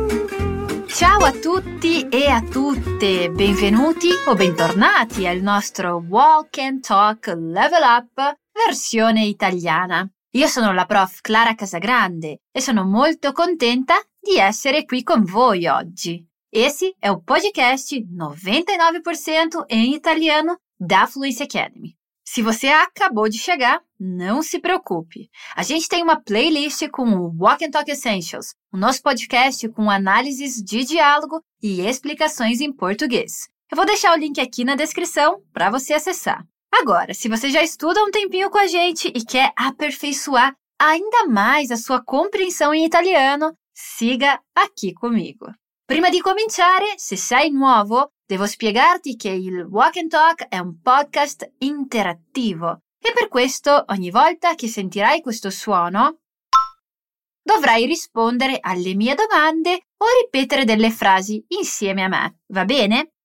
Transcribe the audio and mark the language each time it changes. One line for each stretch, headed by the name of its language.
Italian: a tutte, benvenuti o bentornati al nostro Walk and Talk Level Up versione italiana. Io sono la prof Clara Casagrande e sono molto contenta di essere qui con voi oggi.
Portuguese: Esse é o podcast 99% em italiano da Fluency Academy. Se você acabou de chegar, não se preocupe. A gente tem uma playlist com o Walk and Talk Essentials, o nosso podcast com análises de diálogo e explicações em português. Eu vou deixar o link aqui na descrição para você acessar. Agora, se você já estuda um tempinho com a gente e quer aperfeiçoar ainda mais a sua compreensão em italiano, siga aqui comigo.
Italian: Prima di cominciare, se sei nuovo, devo spiegarti che il Walk and Talk è un podcast interattivo e per questo ogni volta che sentirai questo suono dovrai rispondere alle mie domande o ripetere delle frasi insieme a me, va bene?